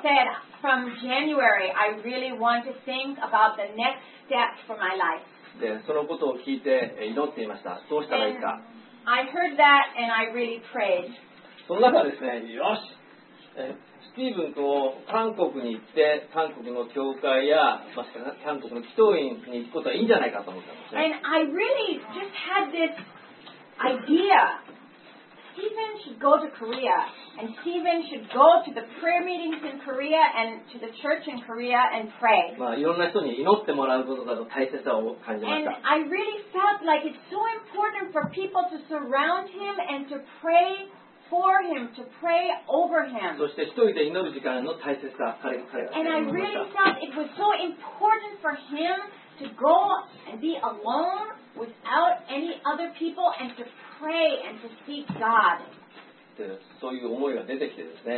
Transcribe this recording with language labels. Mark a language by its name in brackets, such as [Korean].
[English] He said, from January, I really want to think about the next step for my life. [Japanese] で、そのことを聞いて祈っていました。どうしたらいいか。 [English] I heard that and I really prayed. [Japanese] その中ですね、よし。スティーブンと韓国に行って韓国の教会や、まあ、韓国の祈祷院に行くことはいいんじゃないかと思ったんですね。 [English] And I really just had this idea. Stephen should go to Korea. And Stephen should go to the prayer meetings in Korea and to the church in Korea and pray. [Japanese] まあ、いろんな人に祈ってもらうことだと大切さを感じました。 [English] And I really felt like it's so important for people to surround him and to pray. For him, to pray over him. [Japanese] そして一人で祈る時間の大切さ、彼が思いました [English] And I really felt it was so important for him to go and be alone without any other people and to pray and to seek God. [Japanese] で、そういう思いが出てきてですね。